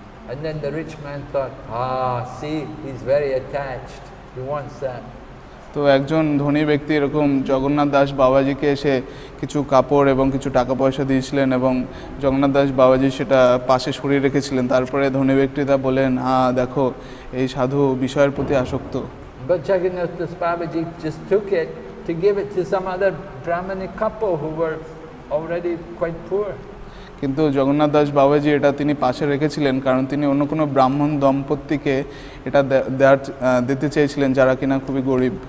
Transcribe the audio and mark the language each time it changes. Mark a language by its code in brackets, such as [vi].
[en] And then the rich man thought, ah, see, he's very attached. He wants that. [bn] তো একজন ধনী ব্যক্তি এরকম জগন্নাথ দাস বাবাজিকে এসে কিছু কাপড় এবং কিছু টাকা পয়সা দিয়েছিলেন এবং জগন্নাথ দাস বাবাজি সেটা পাশে সরিয়ে রেখেছিলেন তারপরে ধনী ব্যক্তি তা বলেন হ্যাঁ দেখো এই সাধু বিষয়ের প্রতি আসক্ত [en] But Jagannath Das Babaji just took it to give it to some other Brahmanic couple who were already quite poor. [bn] কিন্তু জগন্নাথ দাস বাবাজি এটা তিনি পাশে রেখেছিলেন কারণ তিনি অন্য কোনো ব্রাহ্মণ দম্পতিকে এটা দিতে চেয়েছিলেন যারা কিনা খুবই গরিব